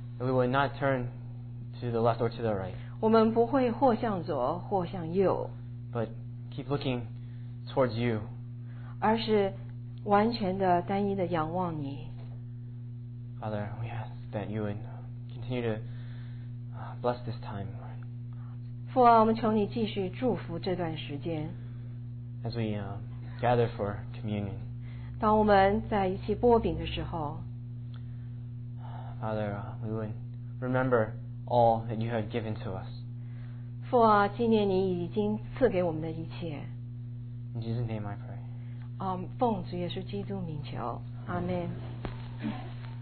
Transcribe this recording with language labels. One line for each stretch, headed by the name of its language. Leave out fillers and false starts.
English: We will not turn to the left or to the right.
Chinese: 我们不会或向左或向右。
English: But keep looking towards you.
Chinese: 而是完全的单一的仰望你。
English: Father, we ask that you would continue to bless this time.
Chinese: 父啊，我们求你继续祝福这段时间。
English: As we gather for communion.
Chinese: 当我们在一起擘饼的时候
English: Father, we would remember all that you have given to us.
Chinese: 父啊，纪念你已经赐给我们的一切。
English: In Jesus' name I pray.
Chinese: 奉主耶稣基督名求。阿门。